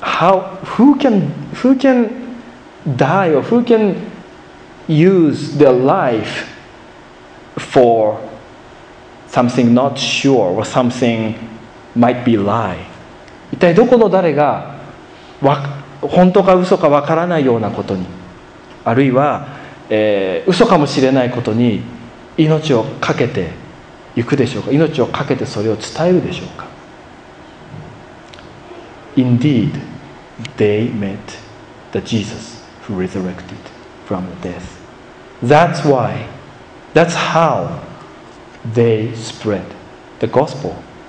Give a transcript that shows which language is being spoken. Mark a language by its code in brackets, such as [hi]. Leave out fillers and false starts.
[en] Who can die or who can use their life for something not sure or something might be lie? [ja] 一体どこの誰が本当か嘘かわからないようなことに、あるいは、嘘かもしれないことに命をかけていくでしょうか。命をかけてそれを伝えるでしょうか。 [en] Indeed, they met the Jesus who resurrected from the death. That's why, that's how they spread the gospel.